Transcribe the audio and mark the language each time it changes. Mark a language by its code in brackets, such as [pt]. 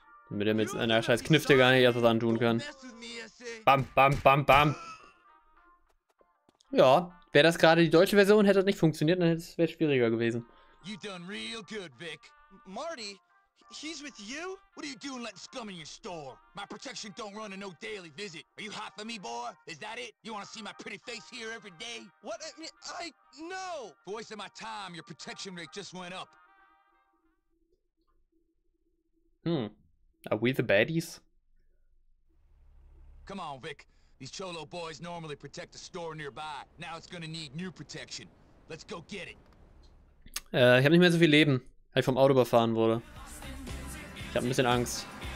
[de] Damit er mit einer scheiß Knifte gar nicht erst was antun kann. Bam, bam, bam, bam. Ja, wäre das gerade die deutsche Version, hätte das nicht funktioniert, dann wäre es schwieriger gewesen. [en] You done real good, Vic. Marty, he's with you? What are you doing letting scum in your store? My protection don't run to no daily visit. Are you hot for me, boy? Is that it? You wanna see my pretty face here every day? What? I no! Voice of my time, your protection rate just went up. Are we the baddies? Come on, Vic. These Cholo boys normally protect a store nearby. Now it's gonna need new protection. Let's go get it. [de] Ich habe nicht mehr so viel Leben, weil ich vom Auto überfahren wurde. Ich habe ein bisschen Angst.